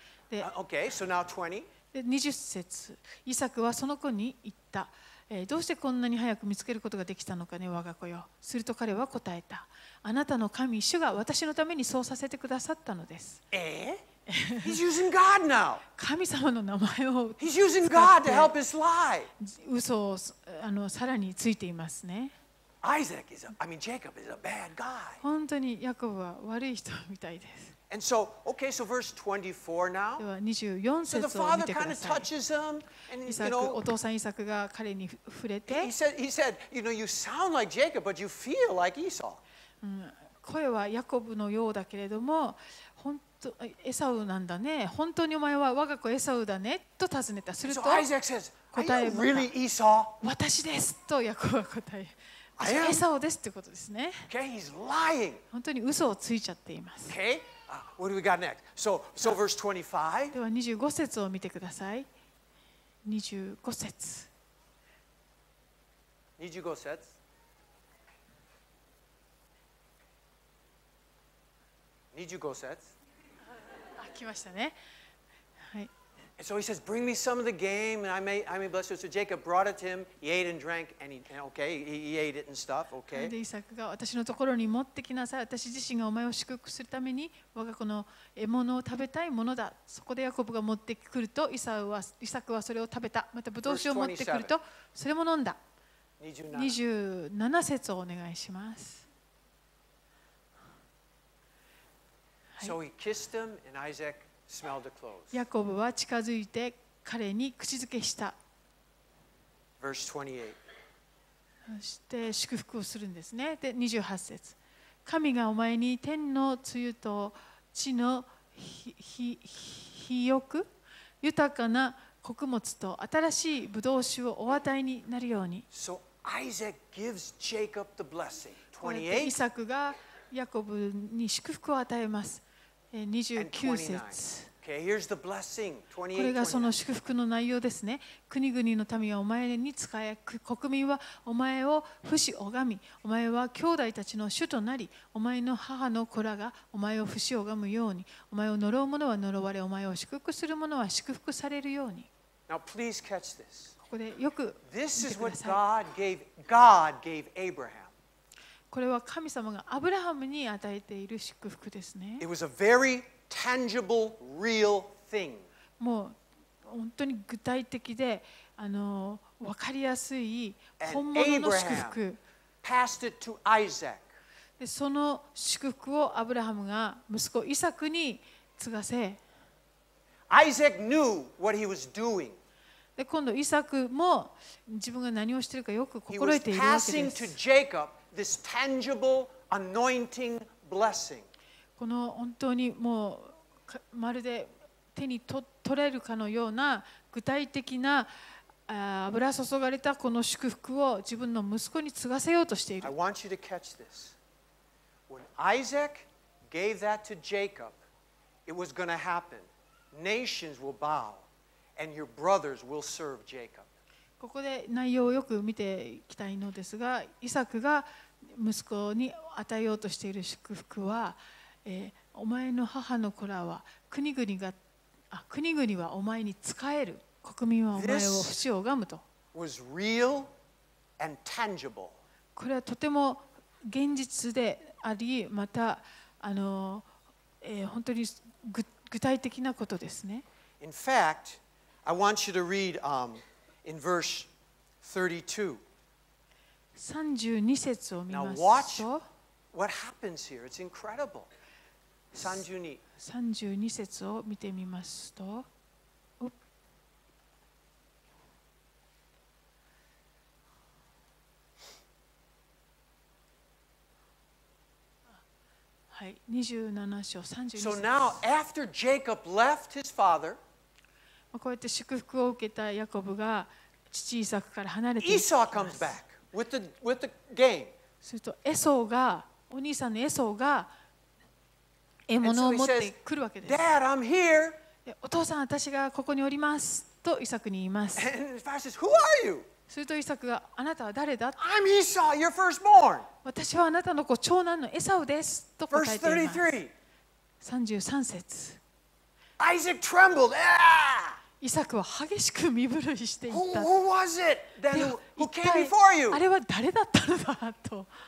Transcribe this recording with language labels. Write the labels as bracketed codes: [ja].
[ja] で、20節。イサクはその子に言った。どうしてこんなに早く見つけることができたのかね、我が子よ。すると彼は答えた。あなたの神、主が私のためにそうさせてくださったのです。 [en] He's using God now. [ja] 神様の名前を使って。 [en] He's using God to help his lie. [ja] 嘘をさらについていますね。 [en] Isaac is a, I mean, Jacob is a bad guy. [ja] 本当にヤコブは悪い人みたいです。 [en] And so, okay, so verse 24 now. [ja] では24節を見てください。 [en] So the father kind of touches him, and you know, [ja] お父さんイサクが彼に触れて。 [en] He said, you know, you sound like Jacob, but you feel like Esau. [ja] 声はヤコブのようだけれども、本当エサウなんだね。本当にお前は我が子エサウだねと尋ねた。すると、答えは、 [en] really [ja] Esau? 私ですとヤコブは答え。私はエサウですってことですね。 [en] Okay, he's lying. [ja] 本当に嘘をついちゃっています。 [en] Okay. What do we got next? So verse 25. [ja] では25節を見てください。 25節。 25節。 25節。あ、来ましたね。はい。 [en] So he says, bring me some of the game and I may bless you. So Jacob brought it to him. He ate and drank and he ate it and stuff. Okay. [ja] で、イサクが私のところに持ってきなさい。私自身がお前を祝福するために我が子の獲物を食べたいものだ。そこでヤコブが持ってくると、イサクはそれを食べた。またブドウ酒を持ってくると、それも飲んだ。 27節をお願いします。 [en] So he kissed him and Isaac smelled the clothes. [ja] ヤコブは近づいて彼に口づけした。 [en] Verse 28. [ja] そして祝福をするんですね。で、28節。神がお前に天の露と地の肥沃、豊かな穀物と新しいブドウ酒をお与えになるように。 [en] So Isaac gives Jacob the blessing. 28. [ja] イサクがヤコブに祝福を与えます。 29節。 [en] Okay, here's the blessing. 28, [ja] これがその祝福の内容ですね。国々の民はお前に仕え、国民はお前を父子拝み、お前は兄弟たちの主となり、お前の母の子らがお前を父子拝むように、お前を呪う者は呪われ、お前を祝福する者は祝福されるように。 [en] Now, please catch this. [ja] ここでよく見てください。 [en] This is what God gave Abraham. [ja] これは神様がアブラハムに与えている祝福ですね。 [en] It was a very tangible, real thing. [ja] もう本当に具体的で、分かりやすい本物の祝福。 [en] Passed it to Isaac. [ja] で、その祝福をアブラハムが息子イサクに継がせ。 [en] Isaac knew what he was doing. [ja] で、今度イサクも自分が何をしているかよく心得ているわけです。 [en] He was passing to Jacob. This tangible anointing blessing. [ja] この本当にもうまるで手に取れるかのような具体的な油注がれたこの祝福を自分の息子に継がせようとしている。 [en] I want you to catch this. When Isaac gave that to Jacob, it was going to happen. Nations will bow, and your brothers will serve Jacob. [ja] ここで内容をよく見ていきたいのですが、イサクが息子に与えようとしている祝福は、お前の母の子らは国々はお前に仕える、国民はお前を父子拝むと。 [en] This was real and tangible. [ja] これはとても現実であり、また本当に具体的なことですね。 [en] In fact, I want you to read in verse 32. [ja] 32節を見ますと、 [en] Now watch what happens here. It's incredible. 32 [ja] 節を見てみますと、はい、27章32節。 [en] So now, after Jacob left his father, [ja] こうやって祝福を受けたヤコブが父イサクから離れていきます。 [en] Esau comes back with the game. [ja] するとエソーが、お兄さんのエソーが獲物を持ってくるわけです。 [en] Dad, I'm here. [ja] で、お父さん、私がここにおりますとイサクに言います。 [en] And his father says, Who are you? [ja] するとイサクが、あなたは誰だ？ [en] I'm Esau, your firstborn. [ja] 私はあなたの子長男のエサウですと答えています。 33節。 [en] Isaac trembled. [ja] イサクは激しく身震いしていた。 [en] Who was it that who came before you? [ja] あれは誰だったのだと。